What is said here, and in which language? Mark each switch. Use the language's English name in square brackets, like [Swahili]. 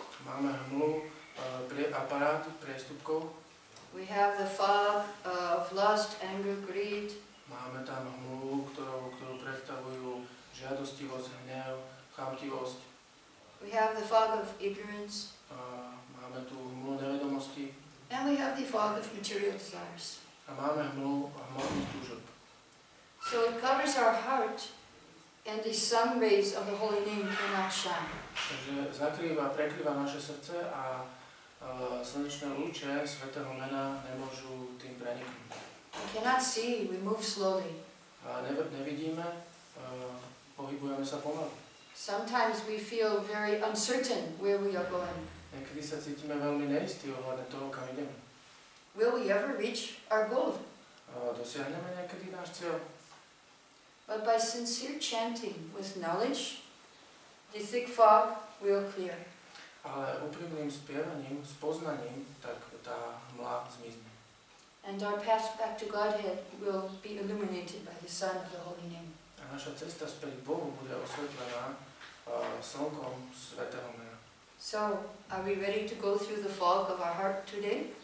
[Slovak] Máme hmlu aparátu, priestupkov. [English] We have the fog of lust, anger, greed. [Slovak] Máme tam hmlu, ktorú predstavujú žiadostivosť, hnev, chamtivosť. [English] We have the fog of ignorance. [Slovak] Máme tu hmlu nevedomosti. [English] And we have the fog of material desires. [Slovak] A máme hmlu hmotných túžob. [English] So it covers our heart. And the sun rays of the holy name cannot shine. [Slovak] Takže zakrýva, prekrýva naše srdce a slnečné lúče svätého mena nemôžu tým preniknúť. [English] We cannot see, we move slowly. [Slovak] Nevidíme, pohybujeme sa pomaly. [English] Sometimes we feel very uncertain where we are going. [Slovak] Niekedy sa cítime veľmi neistý ohľadne toho, kam ideme. [English] Will we ever reach our goal? [Slovak] Dosiahneme niekedy náš cieľ? [English] But by sincere chanting with knowledge, the thick fog will clear. [Slovak] Ale úprimným spievaním, spoznaním, tak tá mlá zmizne. [English] And our path back to Godhead will be illuminated by the sun of the holy name. [Slovak] A naša cesta späť k Bohu bude osvetlená slnkom svätého mena. [English] So, are we ready to go through the fog of our heart today?